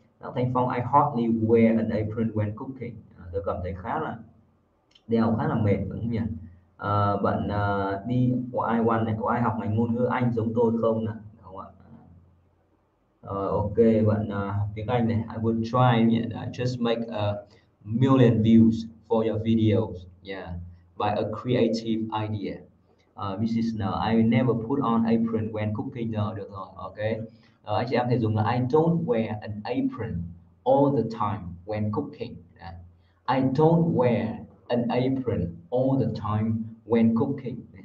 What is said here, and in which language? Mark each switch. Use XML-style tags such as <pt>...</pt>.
<en>Đặng Thanh Phong, I hardly wear an apron when cooking.</en> <vi>Tôi cảm thấy khá là đeo khá là mệt đúng không nhỉ? Bạn đi của ai quan này, có ai học ngành ngôn ngữ Anh giống tôi không nè, không ạ? Ok, bạn học tiếng Anh này,</vi> <en>I would try</en> <vi>nhỉ?</vi> <en>I just make a million views for your videos, yeah, by a creative idea. Mrs. N, I never put on apron when cooking.</en> <vi>Được rồi, ok. Anh chị em thể dùng là</vi> <en>I don't wear an apron all the time when cooking. I don't wear an apron all the time when cooking.</en>